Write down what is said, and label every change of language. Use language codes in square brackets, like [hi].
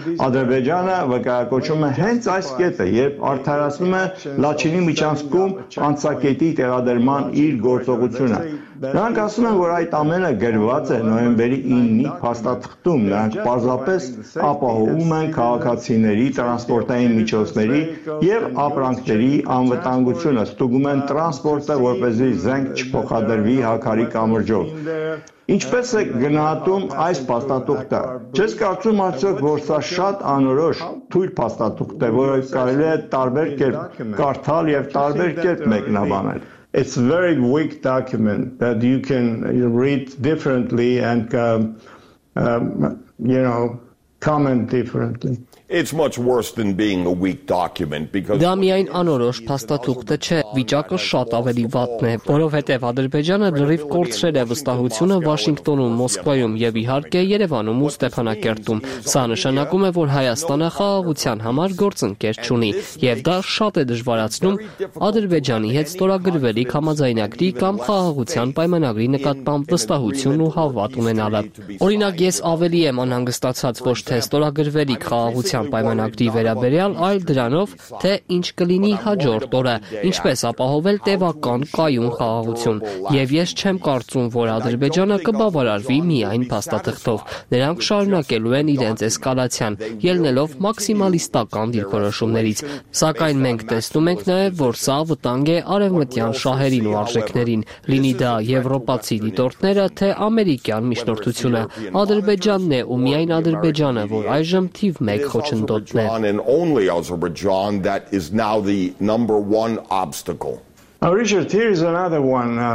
[hy] Ադրբեջանը վկայակոչում է հենց այս կետը, երբ արդարացնում է Լաչինի միջանցքում անցակետի տեղադրման իր գործողությունը։ Նրանք ասում են, որ այդ ամենը գրված է նոյեմբերի 9-ի փաստաթղթում, նրանք պարզապես ապահովում են քաղաքացիների տրանսպորտային միջոցների եւ ապրանքների անվտանգությունը, ստուգում են տրանսպորտը, որպեսզի զենք չփոխադրվի հակարի կամրջով։ Ինչպես է գնահատում այս փաստաթուղթը։ Չես կարծում արդյոք, որ սա շատ անորոշ թույլ փաստաթուղթ է, որը կարելի է տարբեր կերպ կարդալ եւ տարբեր կերպ մեկնաբանել։ [en] It's a very weak document that you can read differently and you know, comment differently. It's much worse than being a weak document because [hy] դա միայն անորոշ փաստաթուղթը չէ, վիճակը շատ ավելի վատն է, որովհետև Ադրբեջանը լրիվ կորցրել է վստահությունը Վաշինգտոնում, Մոսկվայում եւ իհարկե Երևանում ու Ստեփանակերտում։ Սա նշանակում է, որ Հայաստանը խաղաղության համար գործընկեր չունի, եւ դա շատ է դժվարացնում Ադրբեջանի հետ ստորագրվելի համաձայնագրի կամ խաղաղության պայմանագրի նկատմամբ վստահություն ու հավատ ունենալը։ Օրինակ, ես ավելի եմ անհանգստացած ոչ թե ստորագրվելի խաղաղության պայմանագրի վերաբերյալ, այլ դրանով, թե ինչ կլինի հաջորդ օրը, ինչպես ապահովել տևական կայուն խաղաղություն, եւ ես չեմ կարծում, որ Ադրբեջանը կբավարարվի միայն փաստաթղթով։ Նրանք շարունակելու են իրենց էսկալացիան, ելնելով մաքսիմալիստական դիրքորոշումներից, սակայն մենք տեսնում ենք նաեւ, որ սա վտանգ է արևմտյան շահերին ու արժեքներին, լինի դա եվրոպացի դիտորդները, թե ամերիկյան միջնորդությունը։ Ադրբեջանն է ու միայն Ադրբեջանը, որ այժմ թիվ [en] And only Azerbaijan that is now the number one obstacle. Richard, here is another one.